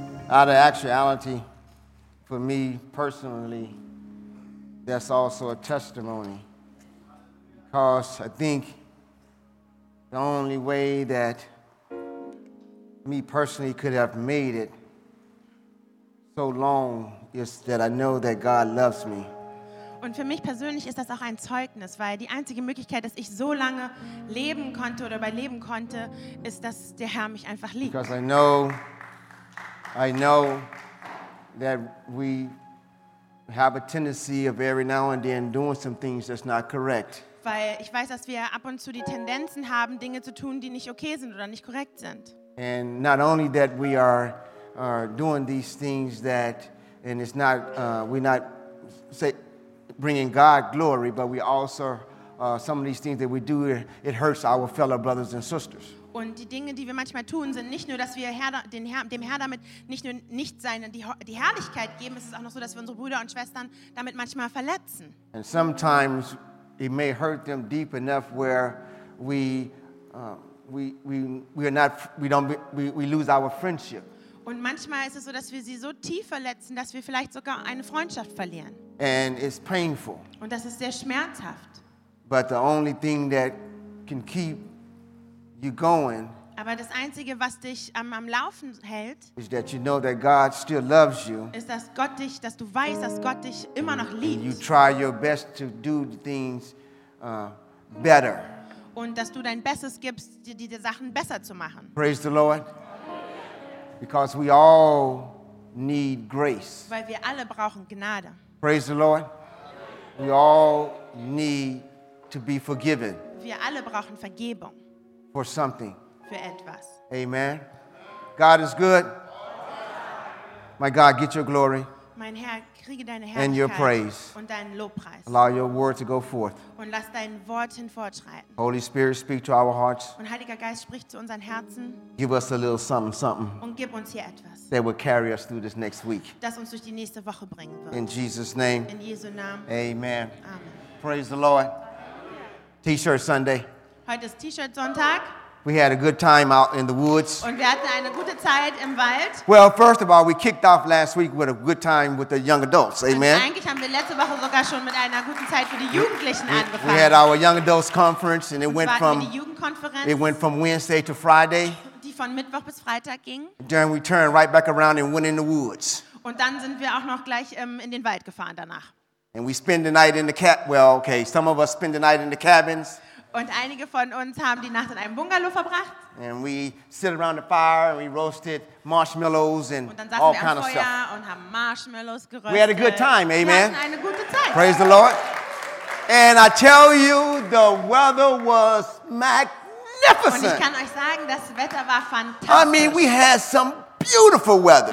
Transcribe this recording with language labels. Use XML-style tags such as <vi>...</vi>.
<en>Out of actuality, for me personally, that's also a testimony. Because I think the only way that me personally could have made it so long is that I know that God loves me.</en> <de>Und für mich persönlich ist das auch ein Zeugnis, weil die einzige Möglichkeit, dass ich so lange leben konnte oder überleben konnte, ist, dass der Herr mich einfach liebt.</de> <en>Because I know that we have a tendency of every now and then doing some things that's not correct.</en> <de>Weil ich weiß, dass wir ab und zu die Tendenzen haben, Dinge zu tun, die nicht okay sind oder nicht korrekt sind.</de> <en>And not only that we are doing these things that, and it's not, we're not, say, bringing God glory, but we also, some of these things that we do, it hurts our fellow brothers and sisters.</en> <de>Und die Dinge, die wir manchmal tun, sind nicht nur, dass wir dem Herr damit nicht nur nicht seine die Herrlichkeit geben, es ist auch noch so, dass wir unsere Brüder und Schwestern damit manchmal verletzen.</de> <en>And sometimes it may hurt them deep enough where we lose our friendship.</en> <de>Und manchmal ist es so, dass wir sie so tief verletzen, dass wir vielleicht sogar eine Freundschaft verlieren.</de> <en>And it's painful.</en> <de>Und das ist sehr schmerzhaft.</de> <en>But the only thing that can keep you going.</en> <de>Aber das Einzige, was dich am Laufen hält,</de> <en>is that you know that God still loves you.</en> <de>Ist, dass Gott dich, dass du weißt, dass Gott dich immer noch liebt.</de> <en>And you try your best to do things better.</en> <de>Und dass du dein Bestes gibst, die Sachen besser zu machen.</de> <en>Praise the Lord. Because we all need grace.</en> <de>Weil wir alle brauchen Gnade.</de> <en>Praise the Lord. We all need to be forgiven.</en> <de>Wir alle brauchen Vergebung.</de> <en>For something.</en> <de>Für etwas.</de> <en>Amen. God is good. My God, get your glory.</en> <de>Mein Herr, kriege deine Herrlichkeit.</de> <en>And your praise.</en> <de>Und deinen Lobpreis.</de> <en>Allow your word to go forth.</en> <de>Und lass dein Wort hinfortschreiten.</de> <en>Holy Spirit, speak to our hearts.</en> <de>Und Heiliger Geist, sprich zu unseren Herzen.</de> <en>Give us a little something.</en> <de>Und gib uns hier etwas.</de> <en>That will carry us through this next week.</en> <de>Das uns durch die nächste Woche bringen wird.</de> <en>In Jesus' name.</en> <de>In Jesu Namen.</de> <en>Amen.</en> <de>Amen.</de> <en>Praise the Lord. T-shirt Sunday.</en> <de>Heute ist T-shirt Sonntag.</de> <en>We had a good time out in the woods.</en> <de>Und wir hatten eine gute Zeit im Wald.</de> <en>Well, first of all, we kicked off last week with a good time with the young adults. Amen.</en> <de>Eigentlich haben wir letzte Woche sogar schon mit einer guten Zeit für die Jugendlichen angefangen.</de> <en>We had our young adults conference, and it went from Wednesday to Friday.</en> <de>Die von Mittwoch bis Freitag ging.</de> <en>Then we turned right back around and went in the woods.</en> <de>Und dann sind wir auch noch gleich in den Wald gefahren danach.</de> <en>And we spent the night in the some of us spent the night in the cabins.</en> <de>Und einige von uns haben die Nacht in einem Bungalow verbracht.</de> <en>And we sit around the fire and we roasted marshmallows and all kind of stuff.</en> <de>Und dann saßen wir am Feuer und haben Marshmallows geröstet.</de> <en>We had a good time, amen.</en> <de>Wir hatten eine gute Zeit.</de> <en>Praise the Lord. And I tell you, the weather was magnificent.</en> <de>Und ich kann euch sagen, das Wetter war fantastisch.</de> <en>I mean, we had some beautiful weather.</en>